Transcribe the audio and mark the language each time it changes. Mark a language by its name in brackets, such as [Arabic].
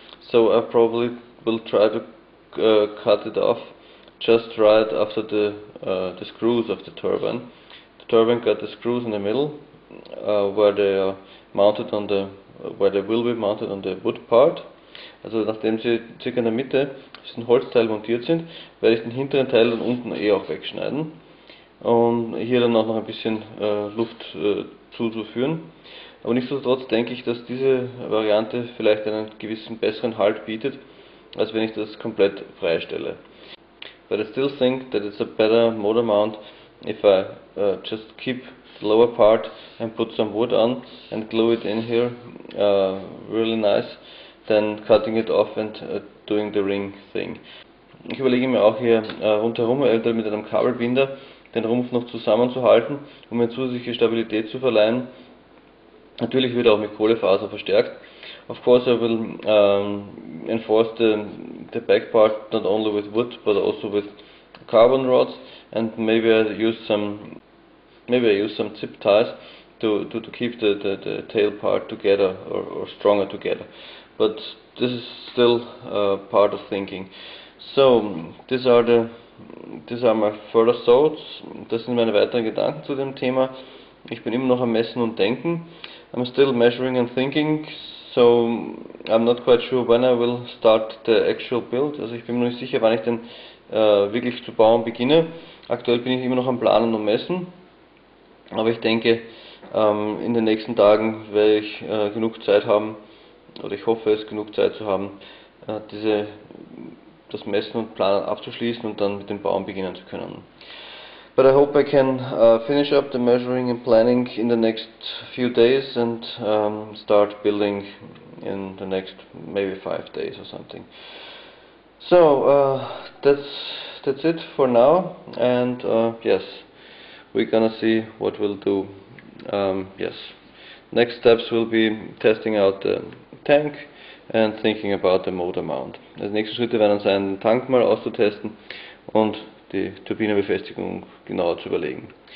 [English] So I probably will try to cut it off just right after the screws of the turbine. The turbine got the screws in the middle, where they are mounted on the, where they will be mounted on the wood part. [German] Also nachdem sie circa in der Mitte ist ein Holzteil montiert sind, werde ich den hinteren Teil dann unten eh auch wegschneiden und hier dann auch noch ein bisschen Luft zuzuführen. Aber nichtsdestotrotz denke ich, dass diese Variante vielleicht einen gewissen besseren Halt bietet, als wenn ich das komplett freistelle. [English] But I still think that it's a better motor mount if I just keep the lower part and put some wood on and glue it in here really nice than cutting it off and doing the ring thing. [German] Ich überlege mir auch hier rundherum eventuell mit einem Kabelbinder den Rumpf noch zusammenzuhalten, um mir zusätzliche Stabilität zu verleihen. Natürlich wird er auch mit Kohlefaser verstärkt. [English] Of course I will enforce the back part not only with wood but also with carbon rods, and maybe I use some zip ties to keep the tail part together or stronger together. But this is still part of thinking. So these are my further thoughts. [German] Das sind meine weiteren Gedanken zu dem Thema. Ich bin immer noch am Messen und Denken. [English] I'm still measuring and thinking, so I'm not quite sure when I will start the actual build. [German] Also ich bin mir nicht sicher, wann ich denn wirklich zu bauen beginne. Aktuell bin ich immer noch am Planen und Messen. Aber ich denke, in den nächsten Tagen werde ich genug Zeit haben, oder ich hoffe es, genug Zeit zu haben, das Messen und Planen abzuschließen und dann mit dem Bauen beginnen zu können. [English] But I hope I can finish up the measuring and planning in the next few days and start building in the next maybe 5 days or something. So that's it for now, and yes, we're gonna see what we'll do. Yes, next steps will be testing out the tank and thinking about the motor mount. [German] Als nächste Schritte werden sein, den Tank mal auszutesten und die Turbinenbefestigung genauer zu überlegen.